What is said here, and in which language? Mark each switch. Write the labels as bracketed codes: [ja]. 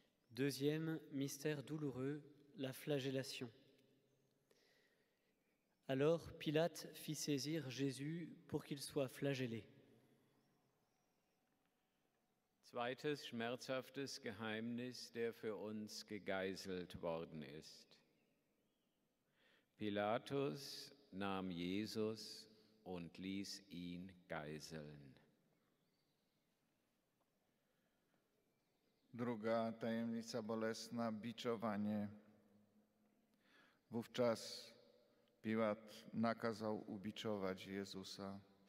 [fr] Deuxième mystère douloureux, la flagellation. Alors Pilate fit saisir Jésus pour qu'il soit flagellé. [de] Zweites schmerzhaftes Geheimnis, der für uns gegeißelt worden ist. Pilatus nahm Jesus und ließ ihn geißeln. [pl] Druga tajemnica bolesna, biczowanie. Wówczas Piłat nakazał ubiczować Jezusa.